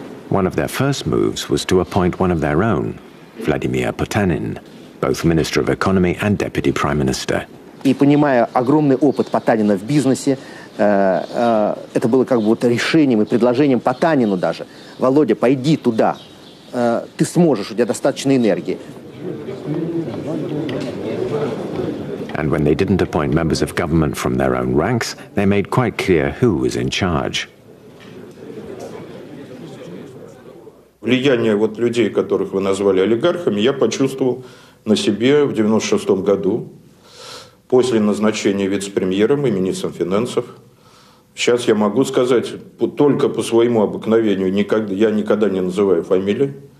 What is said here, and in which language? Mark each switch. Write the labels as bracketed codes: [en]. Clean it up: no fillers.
[en] One of their first moves was to appoint one of their own, Vladimir Potanin, both Minister of Economy and Deputy Prime Minister. [ru] И понимая огромный опыт Потанина в бизнесе, это было как бы вот решением и предложением Потанину даже. Володя, пойди туда. Ты сможешь, у тебя достаточно энергии. [en] And when they didn't appoint members of government from their own ranks, they made quite clear who was in charge. [ru] Влияние вот людей, которых вы назвали олигархами, я почувствовал на себе в 96 году после назначения вице-премьером и министром финансов. Сейчас я могу сказать только по своему обыкновению, я никогда не называю фамилии.